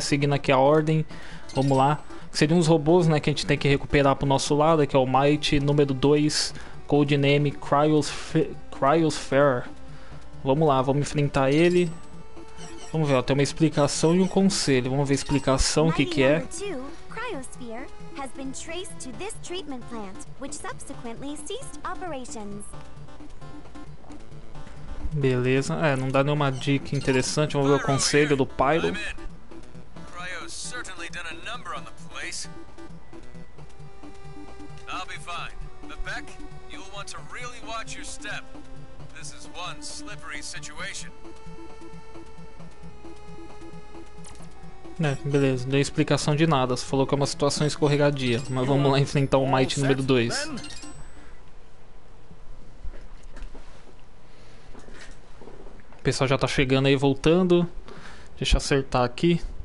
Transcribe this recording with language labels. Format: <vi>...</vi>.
<pt>Seguindo aqui a ordem. Vamos lá. Seriam os robôs, né? Que a gente tem que recuperar pro nosso lado. Que é o Mighty Número 2, Codename Cryosphere. Vamos lá, vamos enfrentar ele. Vamos ver, ó, tem uma explicação e um conselho. Vamos ver a explicação, o que que é.</pt> <en>Cryosphere has been traced to this treatment plant, which subsequently ceased operations.</en> <pt>Beleza, é, não dá nenhuma dica interessante. Vamos ver o conselho do Pyro.</pt> <en>Cryo's certainly done a number on the place. I'll be fine. But Beck, you'll want to really watch your step. This is one slippery situation.</en> <pt>É, beleza, não deu explicação de nada. Você falou que é uma situação escorregadia. Mas vamos lá enfrentar o Might número 2. O pessoal já tá chegando aí, voltando. Deixa eu acertar aqui.</pt>